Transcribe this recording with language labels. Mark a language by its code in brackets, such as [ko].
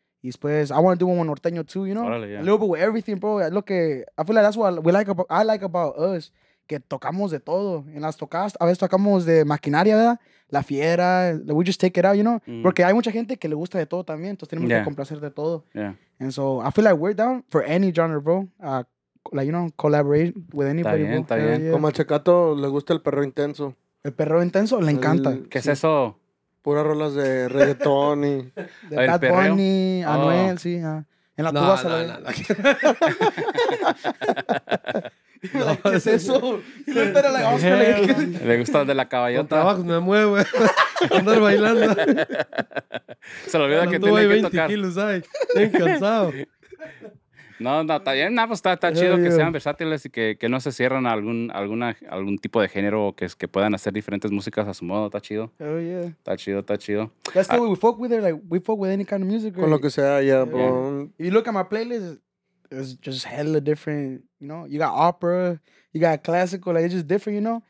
[es] Y después, [en] I want to do one with Norteño too, you know? [es] Órale, yeah. [en] A little bit with everything, bro. [es] Es lo que, [en] I feel like that's what we like about, I like about us. [es] Que tocamos de todo. En las tocadas, a veces tocamos de maquinaria, ¿verdad? La fiera, [en] we just take it out, you know? [es] Porque hay mucha gente que le gusta de todo también. Entonces tenemos que complacer de todo. [en] Yeah. And so, I feel like we're down for any genre, bro. Like, you know, collaborate with anybody, [es] está bien, [en] bro. [es] Está bien. [en] Yeah. [es] Como a Checato, le gusta el perro intenso. El perro intenso, le encanta. ¿Qué es eso? Puras rolas de reggaetón y... De Bad Bunny, Anuel, sí. En la tuba se la ve. ¿Qué es eso? Le gusta el de la caballota. Con trabajos me mueve. Andar bailando. Se le olvida que tiene que tocar. 20 kilos hay. Estoy cansado. No, está bien. Pues está chido que sean versátiles y que no se cierran a algún tipo de género o que puedan hacer diferentes músicas a su modo. Está chido. [en] Hell yeah. [es] Está chido. [en] That's the way we fuck with it. Like, we fuck with any kind of music. [es] Con lo que sea, bro. Yeah. [en] If you look at my playlist, it's just hella different, you know? You got opera, you got classical, like, it's just different, you know?